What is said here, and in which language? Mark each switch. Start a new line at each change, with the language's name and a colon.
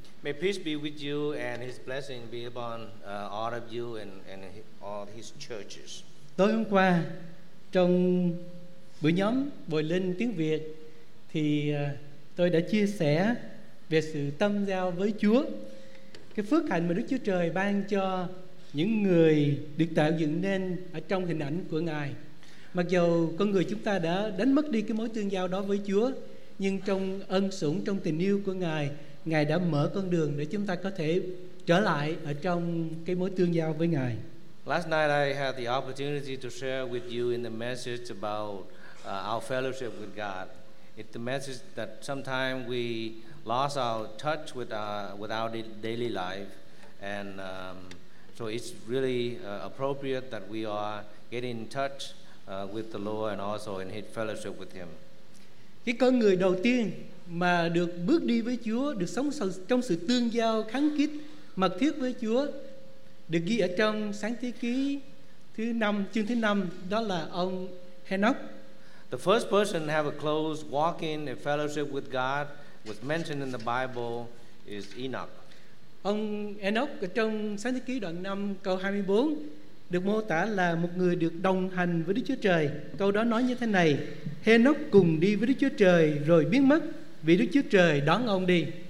English: May peace be with you and His blessing be upon all of you and all His churches.
Vietnamese: Tối hôm qua trong buổi nhóm Bồi Linh tiếng Việt thì tôi đã chia sẻ về sự tâm giao với Chúa, cái phước hạnh mà Đức Chúa Trời ban cho những người được tạo dựng nên ở trong hình ảnh của Ngài. Mặc dù con người chúng ta đã đánh mất đi cái mối tương giao đó với Chúa, nhưng trong ân sủng, trong tình yêu của Ngài, Ngài đã mở con đường để chúng ta có thể trở lại ở trong cái mối tương giao với Ngài.
English: Last night I had the opportunity to share with you in the message about our fellowship with God. It's the message that sometimes we lost our touch with our daily life, and so it's really appropriate that we are getting in touch with the Lord and also in His fellowship with Him.
Vietnamese: Cái con người đầu tiên mà được bước đi với Chúa, được sống trong sự tương giao khăng khít mật thiết với Chúa, được ghi ở trong Sáng Thế Ký thứ 5, chương thứ 5, đó là ông Henoch.
English: The first person to have a close walking and fellowship with God was mentioned in the Bible is Enoch.
Vietnamese: Ông Henoch ở trong Sáng Thế Ký đoạn 5 câu 24 được mô tả là một người được đồng hành với Đức Chúa Trời. Câu đó nói như thế này: Henoch cùng đi với Đức Chúa Trời rồi biến mất vì Đức Chúa Trời đón ông đi.